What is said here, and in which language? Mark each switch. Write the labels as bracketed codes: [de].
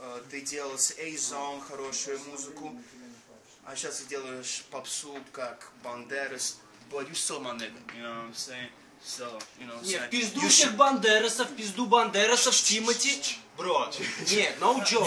[ru] Ты делаешь A-Zone, хорошую музыку. А сейчас ты делаешь попсу, как Бандерас. [en] But you still my nigga, you know what I'm saying? So, you know what I'm saying? [ru] Пизду всех Бандерасов, пизду Бандерасов, Тимати. Бро, нет, [en] no joke.